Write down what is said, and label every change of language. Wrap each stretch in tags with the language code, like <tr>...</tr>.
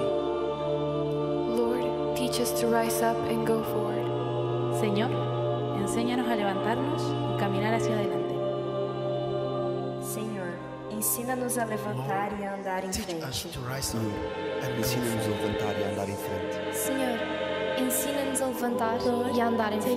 <en>Lord, teach us to rise up and go forward.</en> <es>Señor, enséñanos a levantarnos y caminar hacia adelante.</es> <pt>Señor, ensina-nos a levantar e andar em frente.</pt> <en>Teach us to rise up and</en> <pt>ensina-nos a levantar e andar em frente. Señor, ensina-nos a levantar e andar em frente.</pt>